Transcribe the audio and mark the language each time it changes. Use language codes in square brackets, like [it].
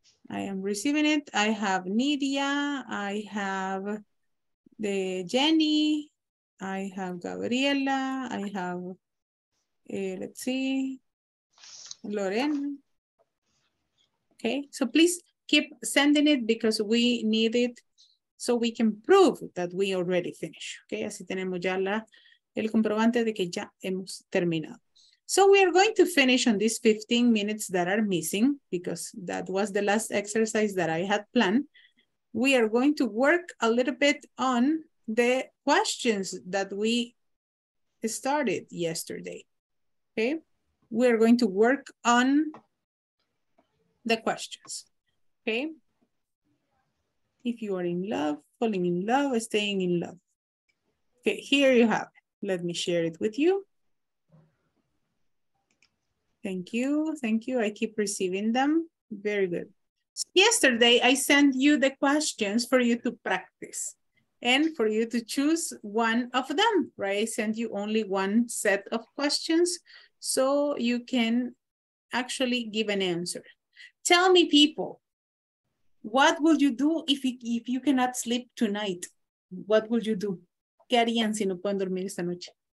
[en] I am receiving it. I have Nidia. I have the Jenny. I have Gabriela. I have, let's see, Lorena. Okay, so please keep sending it because we need it so we can prove that we already finished. [es] Okay, así tenemos ya el comprobante de que ya hemos terminado. [en] So we are going to finish on these 15 minutes that are missing because that was the last exercise that I had planned. We are going to work a little bit on the questions that we started yesterday. Okay, we are going to work on the questions, okay? If you are in love, falling in love, staying in love. Okay, here you have it. Let me share it with you. Thank you, thank you. I keep receiving them. Very good. Yesterday, I sent you the questions for you to practice and for you to choose one of them, right? I sent you only one set of questions so you can actually give an answer. Tell me, people, what will you do if you cannot sleep tonight? What will you do? [es] ¿Qué harían si no pueden dormir esta noche?